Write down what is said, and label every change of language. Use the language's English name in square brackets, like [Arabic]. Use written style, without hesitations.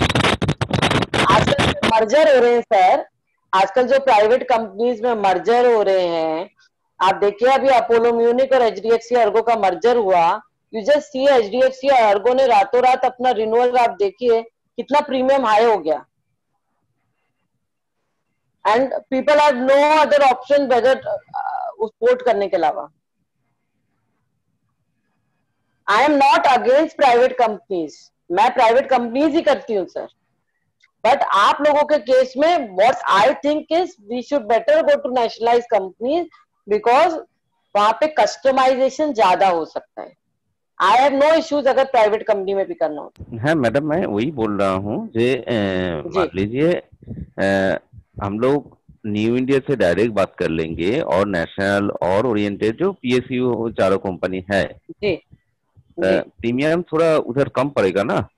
[Hindi] आजकल मर्जर हो रहे हैं सर, आजकल जो प्राइवेट कंपनीज में मर्जर हो रहे हैं, आप देखिए अभी अपोलो म्यूनिक और एचडीएफसी अर्गो का मर्जर हुआ. [English] you just see [Hindi] HDFC Ergo ने रातों रात अपना रिन्यूअल, आप देखिए कितना प्रीमियम हाई हो गया. [English] And people have no other option whether [Hindi] उस पोर्ट करने के अलावा. [English] I am not against private companies. [Hindi] मैं private companies ही करती हूँ sir. [English] But [Hindi] आप लोगों के केस में [English] what I think is we should better go to nationalized companies because [Hindi] वहां पे [English] customization [Hindi] ज्यादा हो सकता है. [English] I have no issues [Hindi] अगर private company में भी करना हो. है मैडम, मैं वही बोल रहा हूँ. मान लीजिए हम लोग न्यू इंडिया से डायरेक्ट बात कर लेंगे और नेशनल और ओरिएंटेड जो पीएसयू चारों कंपनी है प्रीमियम थोड़ा उधर कम पड़ेगा ना.